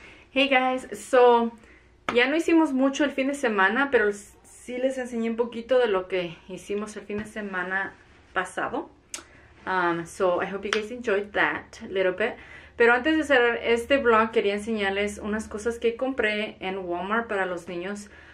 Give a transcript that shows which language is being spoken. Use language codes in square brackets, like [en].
[en] Hey guys, [es] so ya no hicimos mucho el fin de semana, pero sí les enseñé un poquito de lo que hicimos el fin de semana pasado. [en] So I hope you guys enjoyed that a little bit. [es] Pero antes de cerrar este vlog, quería enseñarles unas cosas que compré en Walmart para los niños.